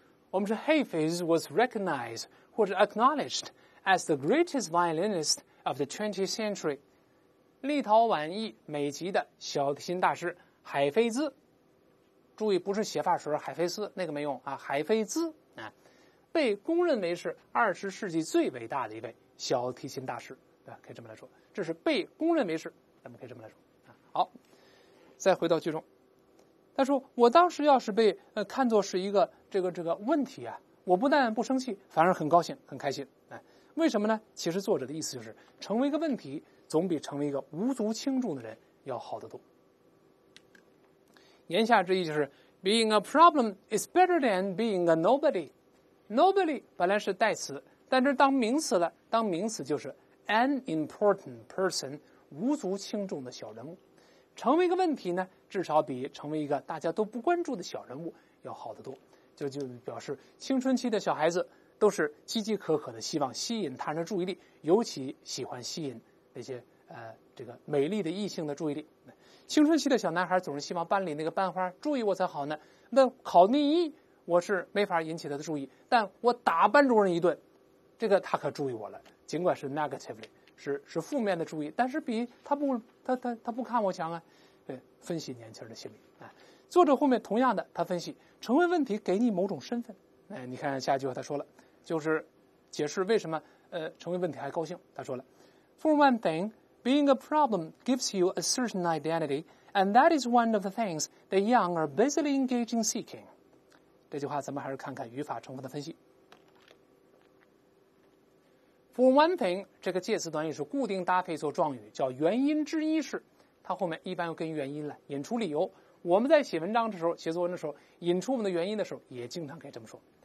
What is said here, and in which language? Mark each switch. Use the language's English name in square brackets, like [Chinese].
[Chinese] 我们说 [English] Hafiz was recognized [Chinese] 或者 [English] acknowledgedas the greatest violinist of the 20th century， [Chinese] 立陶宛裔美籍的小提琴大师海菲兹，注意不是写法时海菲斯那个没用啊，海菲兹、啊、被公认为是二十世纪最伟大的一位小提琴大师，对，可以这么来说，这是被公认为是，咱们可以这么来说、啊、好，再回到剧中，他说我当时要是被、看作是一个这个问题啊，我不但不生气，反而很高兴很开心，为什么呢？其实作者的意思就是，成为一个问题，总比成为一个无足轻重的人要好得多。言下之意就是 [English] ，being a problem is better than being a nobody。 [Chinese] nobody 本来是代词，但是当名词了，当名词就是 [English] an important person， [Chinese] 无足轻重的小人物。成为一个问题呢，至少比成为一个大家都不关注的小人物要好得多。就表示青春期的小孩子。都是饥饥渴渴的，希望吸引他人的注意力，尤其喜欢吸引那些这个美丽的异性的注意力。青春期的小男孩总是希望班里那个班花注意我才好呢。那考第一，我是没法引起他的注意，但我打班主任一顿，这个他可注意我了。尽管是 negatively， 是负面的注意，但是比他不看我强啊。分析年轻人的心理。作者后面同样的他分析成为问题给你某种身份。你看下一句话他说了，就是解释为什么成为问题还高兴。他说了 [English] For one thing, being a problem gives you a certain identity, and that is one of the things the young are busily engaging seeking. [Chinese] 这句话咱们还是看看语法成分的分析。 [English] For one thing, [Chinese] 这个介词短语是固定搭配做状语，叫原因之一式。它后面一般要跟原因来引出理由。我们在写文章的时候，写作文的时候，引出我们的原因的时候，也经常可以这么说。